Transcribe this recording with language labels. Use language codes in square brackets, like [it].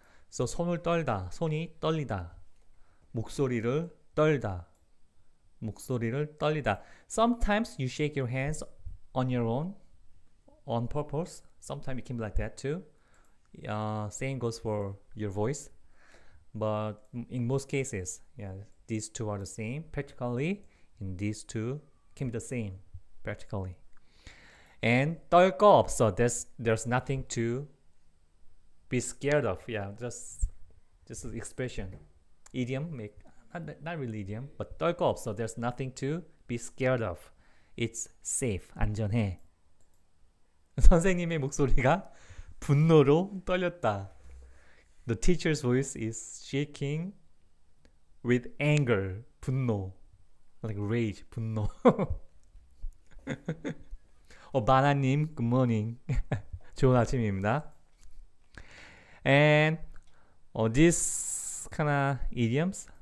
[ko] So 손을 떨다, 손이 떨리다, 목소리를 떨다, 목소리를 떨리다. [en] Sometimes you shake your hands on your own, on purpose. Sometimes it can be like that too. Same goes for your voice. But in most cases, yeah, these two are the same practically. And these two can be the same, practically. And [ko] 떨거 없어. [en] There's nothing to be scared of. Yeah, just an expression, idiom. Make not really idiom, but [ko] 떨거 없어. [en] There's nothing to be scared of. It's safe, [ko] 안전해. 선생님의 목소리가 분노로 떨렸다. [en] The teacher's voice is shaking with anger, 분노. Like rage, 분노. 바나님, good morning. [ko] 좋은 아침입니다. [en] And this kind of idioms.